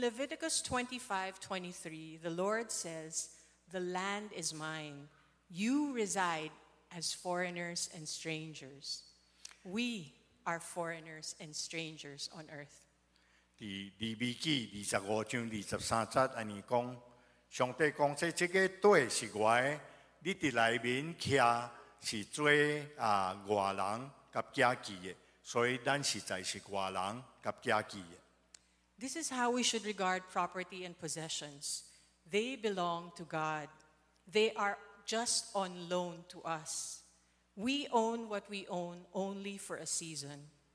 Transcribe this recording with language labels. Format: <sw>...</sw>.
<en>Leviticus 25:23, the Lord says, "The land is mine; you reside as foreigners and strangers." We are foreigners and strangers on earth.</en> <nan>第利未记25:23安尼讲，上帝讲说这个地是我的，你伫内面徛是做外人甲家己的，所以咱实在是外人甲家己的。This</nan> <en>is how we should regard property and possessions. They belong to God. They are just on loan to us. We own what we own only for a season.</en>